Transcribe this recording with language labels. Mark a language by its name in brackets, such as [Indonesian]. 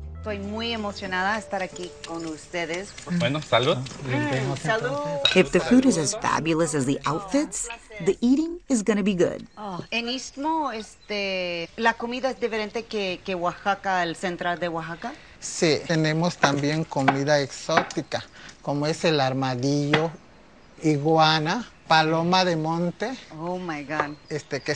[Spanish] Estoy muy emocionada de estar aquí con ustedes. Bueno, salud. Salud. [English] If the food is as fabulous as the outfits, the eating is going to be good. [Spanish] Oh, en Istmo, la comida es diferente que Oaxaca, el central de Oaxaca. Sí, tenemos también comida exótica, como es el armadillo, iguana, paloma de monte. [English] Oh my God. [Spanish] Que